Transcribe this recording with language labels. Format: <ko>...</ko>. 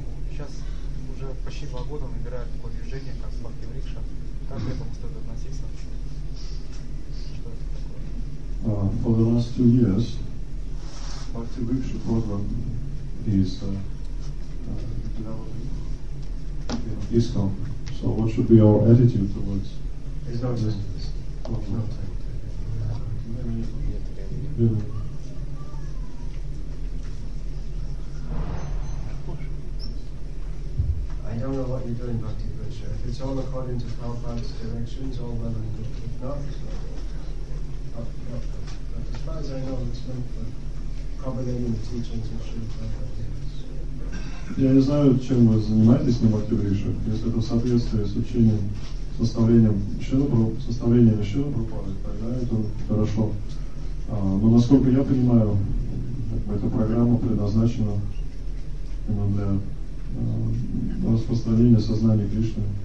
<ru>Сейчас уже почти два года он играет такое движение, как Бхакти Врикша. Как к этому стоит относиться? Что это такое?</ru> <en>For the last 2 years, Bhakti Bhiksha program is developing ISKCON. So what should be our attitude towards it's not just this. I don't know what you're doing, Bhakti Bhiksha. If it's all according to Prabhupada's directions, all well and good. If not, but as far as I know, it's meant for propagating the teachings of Srila Prabhupada.</en> <ru>Я не знаю, чем вы занимаетесь на Бхакти Бхикше, если это в соответствии с учением, составлением Шрилы Прабхупады, тогда это хорошо. Но насколько я понимаю, эта программа предназначена именно для распространения сознания Кришны.</ru>